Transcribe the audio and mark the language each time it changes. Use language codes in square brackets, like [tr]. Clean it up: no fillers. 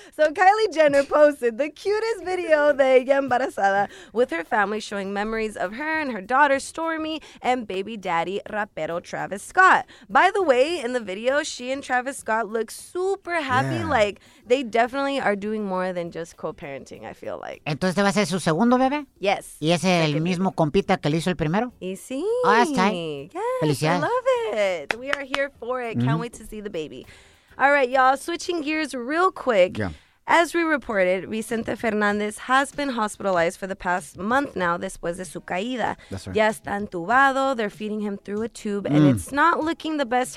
[en] So Kylie Jenner posted the cutest video [es] de ella embarazada [en] with her family showing memories of her and her daughter Stormy and baby daddy [es] rapero [en] Travis Scott. By the way, in the video, she and Travis Scott look super happy. Yeah. Like, they definitely are doing more than just co-parenting, I feel like. [es] ¿Entonces te va a ser su segundo bebé? [en] Yes. [es] ¿Y es el mismo compita que le hizo el primero? Y sí. [en] Oh, that's tight. Yes. [es] Felicidades. [en] I love it. We are here for it. Mm-hmm. Can't wait to see the baby. All right, y'all. Switching gears real quick. Yeah. As we reported, Vicente Fernández has been hospitalized for the past month now, [es] después de su caída. [en] That's right. [es] Ya está entubado, [en] they're feeding him through a tube, and it's not looking the best.